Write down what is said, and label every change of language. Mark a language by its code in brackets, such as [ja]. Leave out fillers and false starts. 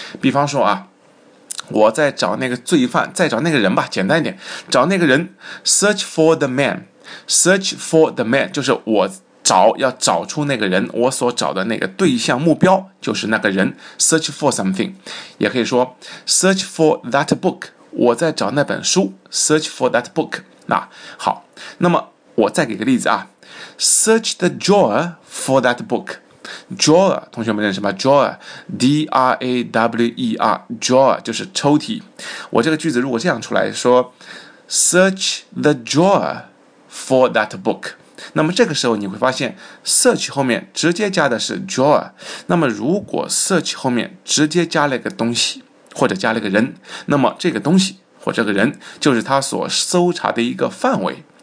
[zh] 比方说啊，我在找那个罪犯，再找那个人吧，简单一点，找那个人 [en] search for the man, [zh] search for the man 就是我找，要找出那个人，我所找的那个对象目标就是那个人， search for something, 也可以说 [en] search for that book, [zh] 我在找那本书， search for that book, 那好，那么我再给个例子啊， [en] search the drawer for that book, [zh] drawer, 同学们认识吗？ drawer, D-R-A-W-E-R, drawer, 就是抽屉。我这个句子如果这样出来说， [en] search the drawer for that book, [zh] 那么这个时候你会发现 search 后面直接加的是 drawer, 那么如果 search 后面直接加了一个东西或者加了一个人，那么这个东西或者这个人就是他所搜查的一个范围。